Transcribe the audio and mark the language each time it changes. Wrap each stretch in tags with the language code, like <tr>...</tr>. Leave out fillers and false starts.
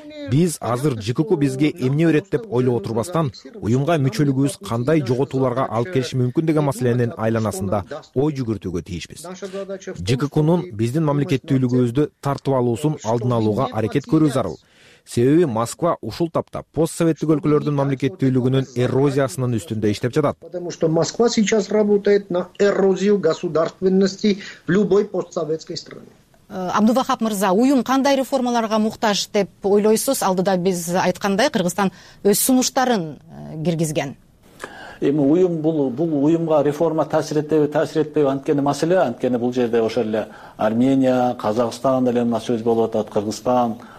<ky>Биз азыр ЖКК бизге эмне өрөт деп ойлоп отурбастан, уюмга мүчөлүгүбүз кандай жоготууларга алып келиши мүмкүн деген маселенин айланасында ой жүгүртүүгө тийишпиз. ЖКК'нун биздин мамлекеттүүлүгүбүздү тартып алуусун алдын алууга аракет көрүү зарыл. Себеби Москва ушул тапта постсоветтик өлкөлөрдүн мамлекеттүүлүгүнүн эрозиясынын үстүндө иштеп жатат.</ky> <ru>Потому что Москва сейчас работает на эрозию государственности в любой постсоветской стране.</ru> <ky>Абдувахап Мырза, уюм кандай реформаларга муктаж деп ойлойсуз? Алдыда биз айткандай Кыргызстан өз сунуштарын киргизген. Эми уюм бул уюмга реформа таасир этеби, таасир этпейби анткени маселе, анткени бул жерде ошол эле Армения, Казакстан деле мына сөз болуп атат, Кыргызстан</ky>